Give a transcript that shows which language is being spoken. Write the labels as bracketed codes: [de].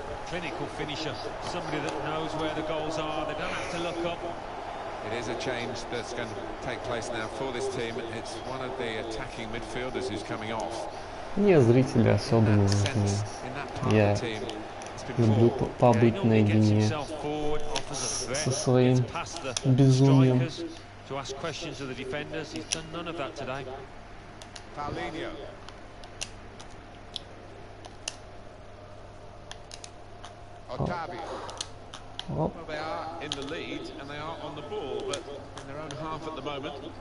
[en] Clinical finisher, somebody that knows where the goals are, they don't have to look up. It is a change that's going to take place now for this team. It's one of the attacking midfielders who's coming off. [ru] Не зрители особо не нужны. Я люблю побыть наедине со своим безумием. [en] To ask questions of the defenders, he's done none of that today. Paulinho. Оп. They are in the lead and they are on the ball, but in their own half at the moment.